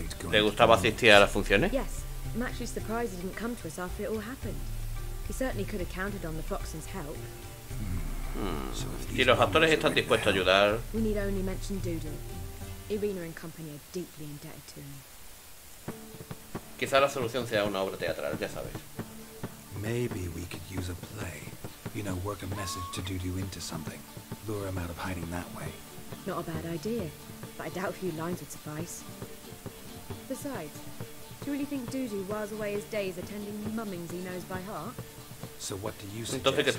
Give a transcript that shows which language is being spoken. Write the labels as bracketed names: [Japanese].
[Spanish] ¿Le gustaba asistir a las funciones? [English] Yes, I'm actually surprised he didn't come to us after it all happened. He certainly could have counted on the Foxen's help. [Spanish] Si los actores están dispuestos a ayudar. [English] We need only mention Dudu. Irina and company are deeply indebted to him. [Spanish] Quizá la solución sea una obra teatral, ya sabes. [English] Maybe we could use a play. You know, work a message to Dudu into something. Lure him out of hiding that way. Not a bad idea, but I doubt a few lines would suffice. Besides, do you really think Dudu whiles away his days attending mummings he knows by heart? So what do you suggest?